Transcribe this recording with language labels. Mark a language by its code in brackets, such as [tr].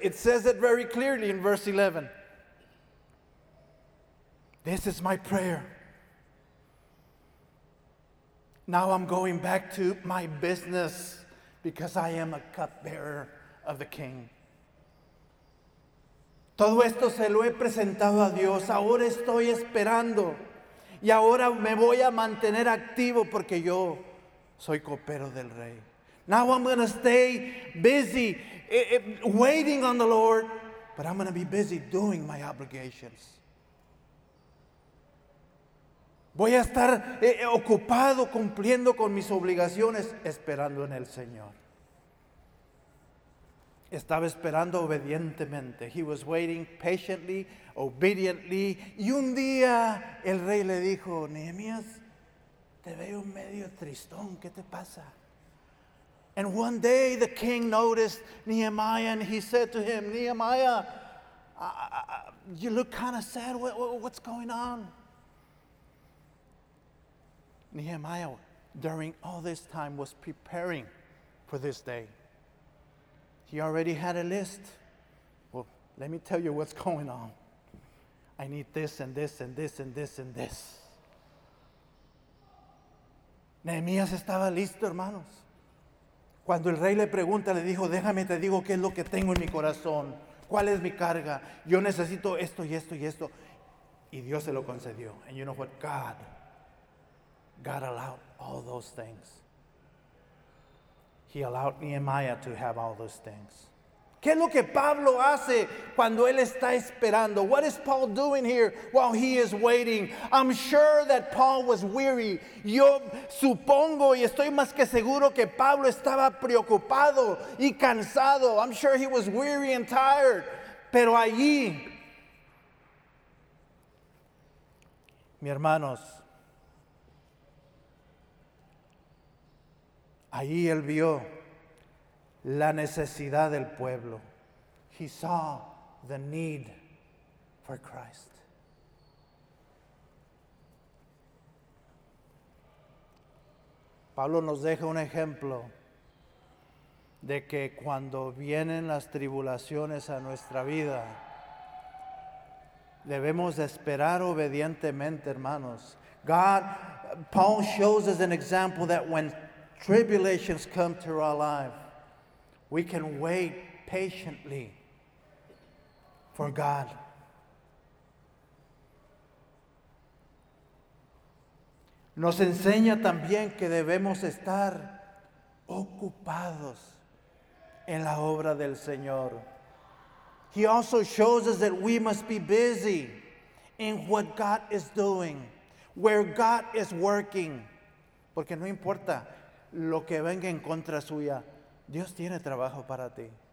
[en] It says it very clearly in verse 11. This is my prayer. Now I'm going back to my business because I am a cupbearer of the king. [es] Todo esto se lo he presentado a Dios. Ahora estoy esperando. Y ahora me voy a mantener activo porque yo soy copero del rey. [en] Now I'm going to stay busy waiting on the Lord, but I'm going to be busy doing my obligations. [es] Voy a estar ocupado cumpliendo con mis obligaciones, esperando en el Señor. Estaba esperando obedientemente. [en] He was waiting patiently, obediently. [es] Y un día el rey le dijo, Nehemías, te veo medio tristón, ¿qué te pasa? [en] And one day the king noticed Nehemiah and he said to him, Nehemiah, you look kind of sad, what's going on? Nehemiah, during all this time, was preparing for this day. He already had a list. Well, let me tell you what's going on. I need this and this and this and this and this. [es] Nehemías estaba listo, hermanos. Cuando el rey le pregunta, le dijo, déjame te digo qué es lo que tengo en mi corazón. ¿Cuál es mi carga? Yo necesito esto y esto y esto. Y Dios se lo concedió. [en] And you know what? God allowed all those things. He allowed Nehemiah to have all those things. [es] ¿Qué es lo que Pablo hace cuando él está esperando? [en] What is Paul doing here while he is waiting? I'm sure that Paul was weary. [es] Yo supongo y estoy más que seguro que Pablo estaba preocupado y cansado. [en] I'm sure he was weary and tired. [es] Pero allí, mi hermanos, ahí él vio la necesidad del pueblo. [en] He saw the need for Christ. [es] Pablo nos deja un ejemplo de que cuando vienen las tribulaciones a nuestra vida, debemos esperar obedientemente, hermanos. [en] Paul shows us an example that when tribulations come to our life, we can wait patiently for God. [es] Nos enseña también que debemos estar ocupados en la obra del Señor. [en] He also shows us that we must be busy in what God is doing, where God is working. [es] Porque no importa lo que venga en contra suya, Dios tiene trabajo para ti.